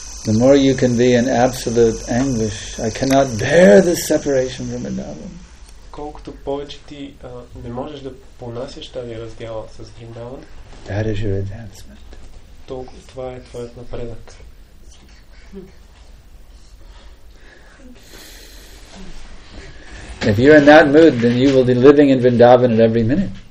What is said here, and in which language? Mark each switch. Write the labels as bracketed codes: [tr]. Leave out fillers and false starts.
[en] The more you can be in absolute anguish, I cannot bear this separation from the God. [bg] Колкото повече ти не можеш да понасяш тази раздяла с Вриндаван, [en] that is your advancement. [bg] Това е твоят напредък. [en] If you're in that mood, then you will be living in Vrindavan at every minute.